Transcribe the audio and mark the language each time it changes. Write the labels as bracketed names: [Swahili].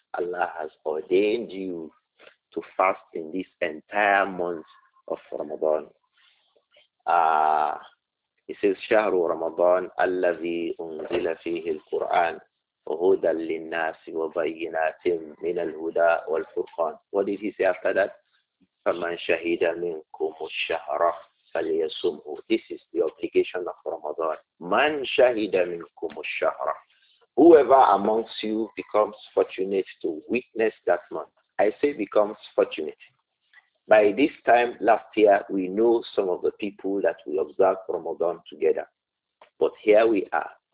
[English] Allah has ordained you to fast in this entire month of Ramadan. It says [Arabic] shahru Ramadan alladhi unzila fihi al-Qur'an هدى للناس وبينات من الهدى والفرقان. [English] What did he say after that? [Arabic] فمن شهد منكم الشهر فليصمه. [English] This is the obligation of Ramadan. [Arabic] من شهد منكم الشهر. [English] Whoever amongst you becomes fortunate to witness that month. I say becomes fortunate. By this time last year, we know some of the people that we observed Ramadan together. But here we are.